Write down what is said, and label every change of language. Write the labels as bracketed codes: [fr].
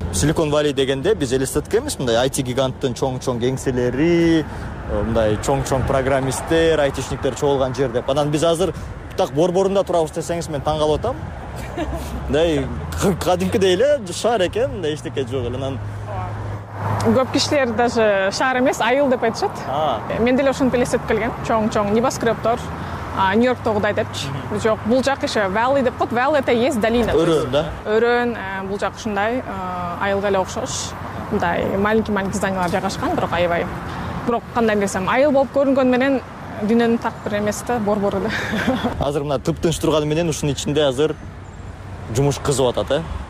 [ky] Silicon Valley дегенде биз элестеткенбиз мындай IT гиганттын чоң-чоң кеңселери, мындай чоң-чоң программисттер, айтишниктер чогулган жер деп. Анан биз азыр так борборунда турабыз десеңиз мен таң калып атам. Мындай кадимкидей эле шаар экен, мындай эчтеке жок эле. Анан көп кишилер даже шаар эмес, айыл деп айтышат. Мен деле ошентип элестетип келген. Чоң-чоң небоскребтор, Нью-Йорктогудай депчи. Жок, бул жак иши Valley деп коет. Valley [ru] это есть долина. [ky] Өрөөн да. Өрөөн бул жак ушундай айылга эле окшош. Мындай [ru] маленький-маленький [ky] зданиялар жайгашкан, бирок аябай. Бирок кандай десем, айыл болуп көрүнгөн менен дүйнөнүн так бир эмес да, борбор эле. Азыр мына тыптынч турганы менен ушунун ичинде азыр жумуш кызып атат, э?